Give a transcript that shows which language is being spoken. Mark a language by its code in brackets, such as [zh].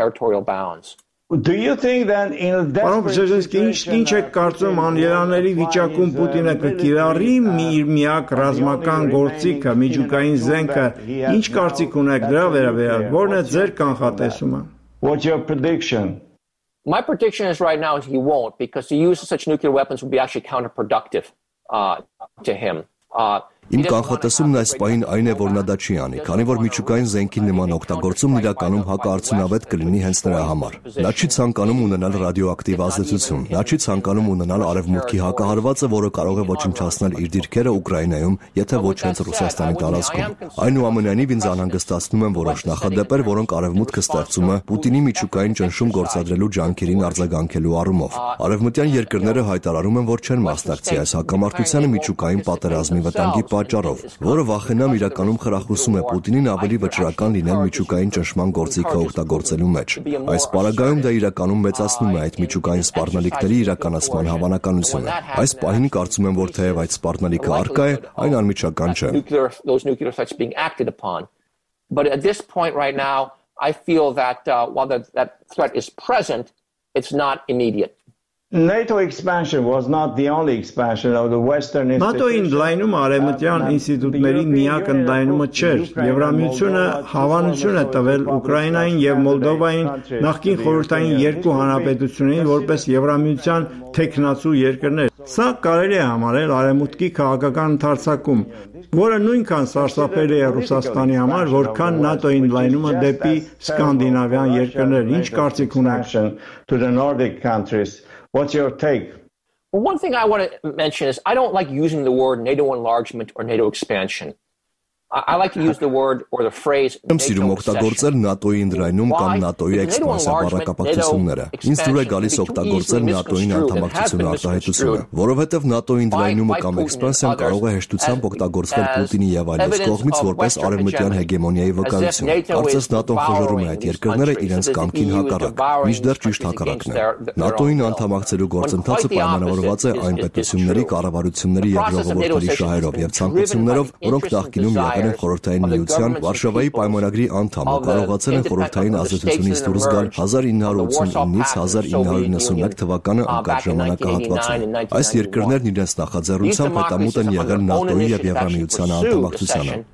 [en] Do you think that in a desperate situation, [hy] չեք կարծում անիրաների վիճակում Պուտինը կկիրառի իր միակ ռազմական գործիքը, միջուկային զենքը, ինչ կարծիք ունեք դրա վերաբերյալ, որն է ձեր կանխատեսումը? [en] What's your prediction? My prediction is right now he won't, because the use of such nuclear weapons would be actually counterproductive to him. [hy] Իմ կանխատեսումն այս պահին այն է, որ նա դա չի անի, քանի որ միջուկային զենքի նման օգտագործումն իրականում հակաարդյունավետ կլինի հենց նրա համար։ Նա չի ցանկանում ունենալ ռադիոակտիվ ազդեցություն, նա չի ցանկանում ունենալ արևմուտքի հակահարվածը, որը կարող է ոչնչացնել իր դիրքերը Ուկրաինայում, եթե ոչ հենց Ռուսաստանի տարածքում։ Այնուամենայնիվ ինձ անհանգստացնում են որոշ նախադեպեր, որոնք արևմուտքը ստեղծում է Պուտինի միջուկային ճնշում գործադրելու ջանքերին արձագանքելու առումով։ Արևմտյան երկրները հայտարարում են, որ չեն մասնակցի այս հակամարտությանը միջուկային պատերազմի վտանգի պատճառով, որը վախենամ իրականում խրախուսում է Պուտինին ավելի վճռական լինել միջուկային ճնշման գործիքը օգտագործելու մեջ։ Այս պարագայում դա իրականում մեծացնում է այդ միջուկային սպառնալիքների իրականացման հավանականությունը։ Այս պահին կարծում եմ, որ թեև այդ սպառնալիքը առկա է, այն անմիջական չէ։ [en] But at this point right now, I feel that while that threat is present, it's not immediate. NATO expansion was not the only expansion of the Western institutions. [hy] NATO-ին լայնում արևմտյան ինստիտուտների միակ ընդլայնումը չէր։ Եվրամիությունը հավանություն է տվել Ուկրաինային եւ Մոլդովային նախկին խորհրդային երկու հանրապետություններին որպես եվրամիության թեկնածու երկրներ։ Սա կարելի է համարել արևմուտքի քաղաքական ընթացակում, որը նույնքան սարսափելի է Ռուսաստանի համար, որքան NATO-ին լայնումը դեպի սկանդինավյան երկրներ։ Ինչ կարծիք ունեք [en] to the Nordic countries? What's your take? Well, one thing I want to mention is I don't like using the word NATO enlargement or NATO expansion. I like to use the word or the phrase NATO accession. [hy] Իմ սիրում օգտագործել NATO-ի ընդրայնում կամ NATO-ի էքսպանսիա բարակապակցությունները։ Ինձ դուր է գալիս օգտագործել NATO-ին անդամակցությունը արտահայտությունը, որովհետև NATO-ի ընդրայնումը կամ էքսպանսիան կարող է հեշտությամբ օգտագործվել Պուտինի եւ այլ կողմից որպես արևմտյան հեգեմոնիայի վկայություն։ Կարծես NATO-ն խոժորում է այդ երկրները իրենց կամքին հակառակ, միջդեռ ճիշտ հակառակն է։ NATO-ին անդամակցելու գործընթացը պայմանավորված է այն պետությունների կառավարությունների եւ ժողովրդերի շահերով եւ ցանկություններով, որոնք նախկինում Ադրեն խորհրդային միության Վարշավայի պայմանագրի անդամ կարողացել են խորհրդային ազդեցությունից դուրս գալ 1989-ից 1991 թվականը անկախ ժամանակահատվածում։ Այս երկրներն իրենց նախաձեռնությամբ հետամուտ են եղել ՆԱՏՕ-ի եւ Եվրամիության անդամակցությանը։